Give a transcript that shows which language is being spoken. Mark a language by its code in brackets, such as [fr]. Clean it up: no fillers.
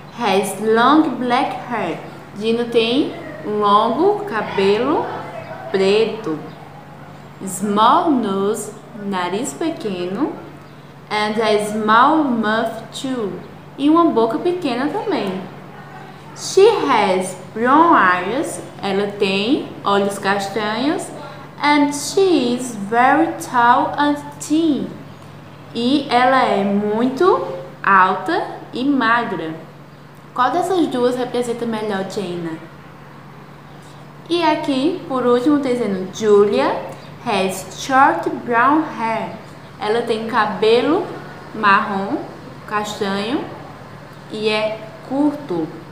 [en] Has long black hair. [pt] Gina tem longo cabelo preto. [en] Small nose, [pt] nariz pequeno. [en] And a small mouth too. [pt] E uma boca pequena também. [en] She has brown eyes. [pt] Ela tem olhos castanhos. [en] And she is very tall and thin. [pt] E ela é muito alta e magra. Qual dessas duas representa melhor Jana? E aqui, por último, está dizendo [en] Julia has short brown hair. [pt] Ela tem cabelo marrom, castanho, e é curto.